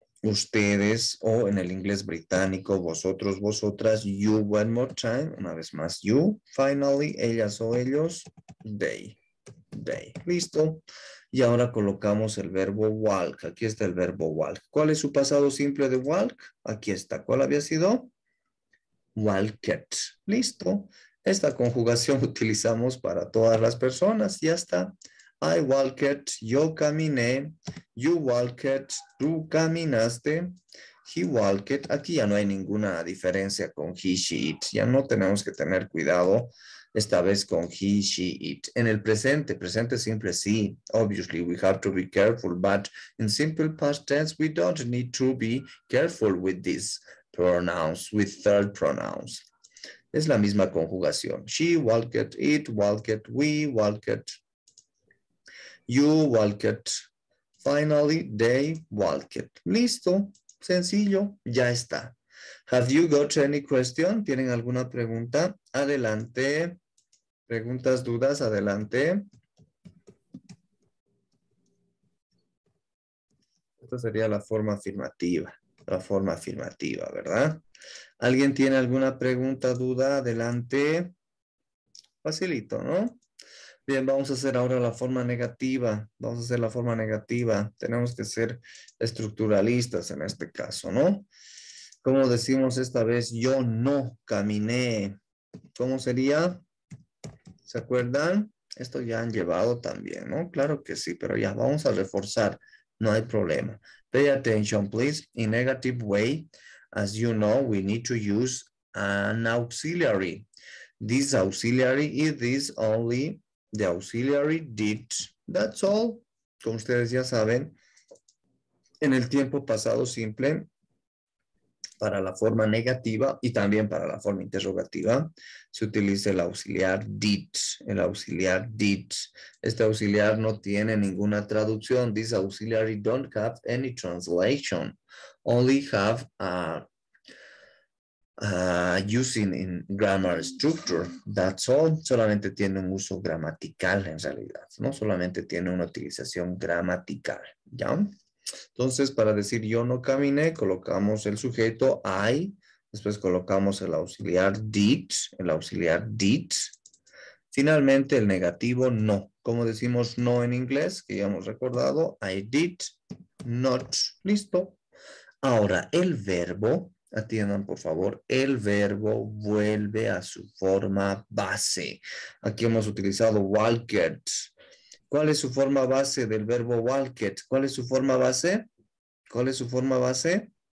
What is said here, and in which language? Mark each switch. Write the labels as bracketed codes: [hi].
[es] Ustedes, o en el inglés británico, vosotros, vosotras, [en] you one more time, [es] una vez más, [en] you, finally, [es] ellas o ellos, they, listo. Y ahora colocamos el verbo walk, aquí está el verbo walk. ¿Cuál es su pasado simple de walk? Aquí está, ¿cuál había sido? Walked, listo. Esta conjugación utilizamos para todas las personas, ya está. [en] I walked, [es] yo caminé, [en] you walked, [es] tú caminaste, [en] he walked. [es] Aquí ya no hay ninguna diferencia con he, she, it. Ya no tenemos que tener cuidado esta vez con he, she, it. En el presente simple sí. [en] Obviously, we have to be careful, but in simple past tense, we don't need to be careful with these pronouns, with third pronouns. [es] Es la misma conjugación. [en] She walked, it walked, we walked. You walked. Finally, they walked. [es] Listo. Sencillo. Ya está. [en] Have you got any question? [es] ¿Tienen alguna pregunta? Adelante. Preguntas, dudas, adelante. Esta sería la forma afirmativa. La forma afirmativa, ¿verdad? ¿Alguien tiene alguna pregunta, duda? Adelante. Facilito, ¿no? Bien, vamos a hacer ahora la forma negativa. Vamos a hacer la forma negativa. Tenemos que ser estructuralistas en este caso, ¿no? ¿Cómo decimos esta vez? Yo no caminé. ¿Cómo sería? ¿Se acuerdan? Esto ya han llevado también, ¿no? Claro que sí, pero ya vamos a reforzar. No hay problema. [en] Pay attention, please. In negative way, as you know, we need to use an auxiliary. This auxiliary is only the auxiliary did. That's all. [es] Como ustedes ya saben, en el tiempo pasado simple, para la forma negativa y también para la forma interrogativa, se utiliza el auxiliar did. El auxiliar did. Este auxiliar no tiene ninguna traducción. [en] This auxiliary don't have any translation. Only have a using in grammar structure, that's all. [es] Solamente tiene un uso gramatical en realidad, ¿no? Solamente tiene una utilización gramatical, ¿ya? Entonces, para decir yo no caminé, colocamos el sujeto I, después colocamos el auxiliar did, el auxiliar did. Finalmente, el negativo no. ¿Cómo decimos no en inglés? Que ya hemos recordado, [en] I did not. [es] Listo. Ahora, el verbo. Atiendan, por favor, el verbo vuelve a su forma base. Aquí hemos utilizado walked. ¿Cuál es su forma base del verbo walked? ¿Cuál es su forma base? ¿Cuál es su forma base?